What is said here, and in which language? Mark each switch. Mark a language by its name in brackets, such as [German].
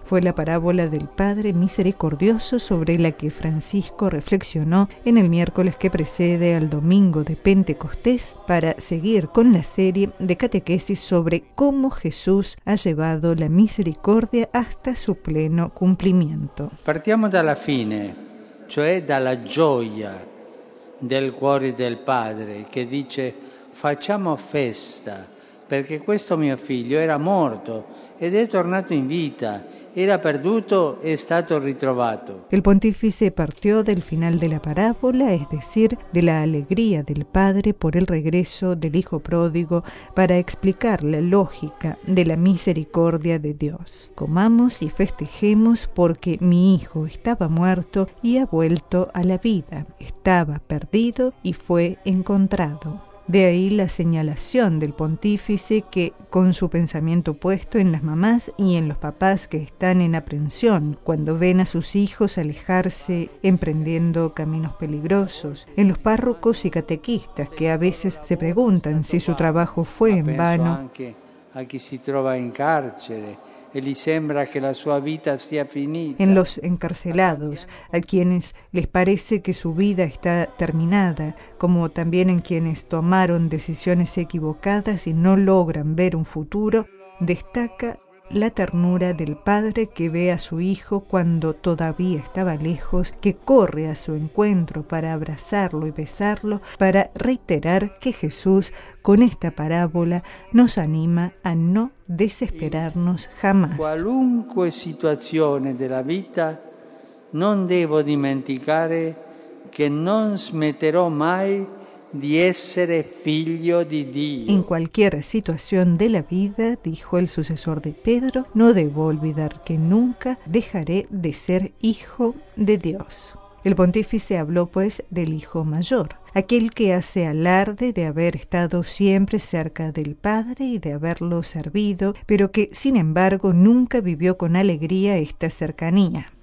[Spanish] Fue la parábola del Padre misericordioso sobre la que Francisco reflexionó en el miércoles que precede al domingo de Pentecostés para seguir con la serie de catequesis sobre cómo Jesús ha llevado la misericordia hasta su pleno cumplimiento. [Italian] Partiamo dalla fine, cioè dalla gioia del cuore del Padre che dice: facciamo festa, perché questo mio figlio era morto ed è tornato in vita, era perduto e è stato ritrovato. Il pontefice partiò dal final della parabola, [Spanish] es decir, della alegría del padre por el regreso del hijo pródigo, para explicar la lógica de la misericordia de Dios. Comamos y festejemos porque mi hijo estaba muerto y ha vuelto a la vida, estaba perdido y fue encontrado. De ahí la señalación del pontífice que, con su pensamiento puesto en las mamás y en los papás que están en aprensión cuando ven a sus hijos alejarse emprendiendo caminos peligrosos, en los párrocos y catequistas que a veces se preguntan si su trabajo fue en vano. [Italian] Penso anche a chi si trova in carcere. E gli sembra che la sua vita sia finita. [Spanish] En los encarcelados, a quienes les parece que su vida está terminada, como también en quienes tomaron decisiones equivocadas y no logran ver un futuro, destaca la ternura del padre que ve a su hijo cuando todavía estaba lejos, que corre a su encuentro para abrazarlo y besarlo, para reiterar que Jesús, con esta parábola, nos anima a no desesperarnos jamás. [Italian] Qualunque situazione della vita, non devo dimenticare che non smetterò mai di essere figlio di Dio. [Spanish] En cualquier situación de la vida, dijo el sucesor de Pedro, no debo olvidar que nunca dejaré de ser hijo de Dios. El pontífice habló, pues, del hijo mayor, aquel que hace alarde de haber estado siempre cerca del Padre y de haberlo servido, pero que, sin embargo, nunca vivió con alegría esta cercanía.